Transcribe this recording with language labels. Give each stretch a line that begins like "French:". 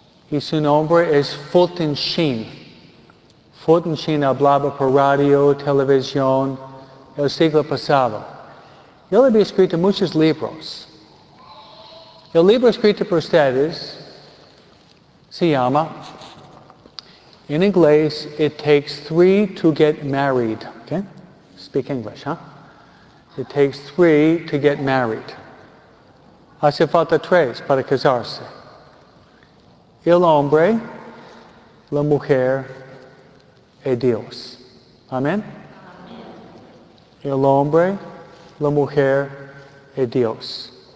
Spanish: Y su nombre es Fulton Sheen. Fulton Sheen hablaba por radio, televisión, el siglo pasado. Él había escrito muchos libros. El libro escrito por ustedes se llama, en inglés, It Takes Three to Get Married. Okay?
English: speak English, huh? It takes three to get married.
Spanish: Hace falta tres para casarse. El hombre, la mujer, y Dios. Amén. El hombre, la mujer, y Dios.